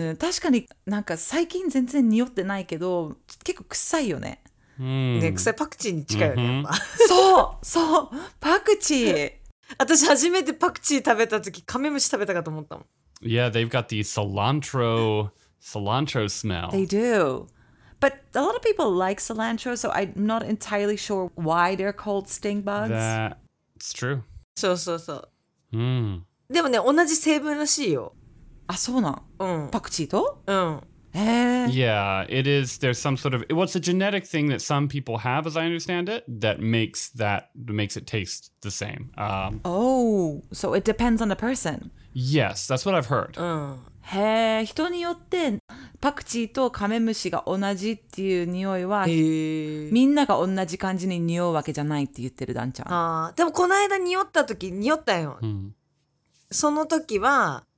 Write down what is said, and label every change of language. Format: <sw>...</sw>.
<ja>うん、確かになんか最近全然匂ってないけど、結構臭いよね。ね、臭いパクチーに近いよね、やっぱ。そう、そう、パクチー。私初めてパクチー食べた時、カメムシ食べたかと思ったもん。</ja> <en>Yeah, they've got the cilantro... Cilantro smell. They do. But a lot of people like cilantro, so I'm not entirely sure why they're called stink bugs. That's true.</en> <ja>そうそうそう。うん。でもね、同じ成分らしいよ。あ、そうなん。うん。パクチーと？うん。</ja> <en>Yeah, it is. There's some sort of... Well, it's a genetic thing that some people have, as I understand it, that makes it taste the same. Oh, so it depends on the person. Yes, that's what I've heard. うん。</en> <ja>へえ、人によってパクチーとカメムシが同じっていう匂いはみんなが同じ感じに匂うわけじゃないって言ってるダンちゃん。あ、でもこの間匂った時匂ったよ、うん、その時は、</ja>